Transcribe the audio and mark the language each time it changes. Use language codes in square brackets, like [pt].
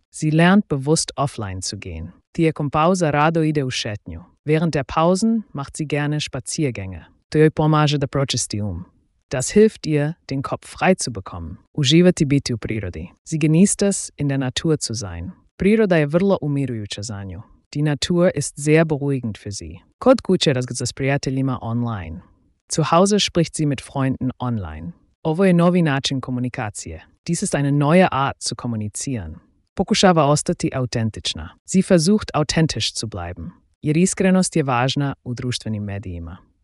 [de] Sie lernt bewusst offline zu gehen. [hr] Tijekom pauza rado ide u šetnju. [de] Während der Pausen macht sie gerne Spaziergänge. [hr] To joj pomaže da pročisti um. [de] Das hilft ihr, den Kopf frei zu bekommen. [hr] Uživati biti u prirodi. [de] Sie genießt es, in der Natur zu sein. [hr] Priroda je vrlo umirujuća za nju. [de] Die Natur ist sehr beruhigend für sie. [hr] Kod kuće razgovara s prijateljima online. [de] Zu Hause spricht sie mit Freunden online. [hr] Ovo je novi način komunikacije. [de] Dies ist eine neue Art zu kommunizieren. [hr] Pokušava ostati autentična. [de] Sie versucht, authentisch zu bleiben. [hr] Jer iskrenost je važna u društvenim medijima.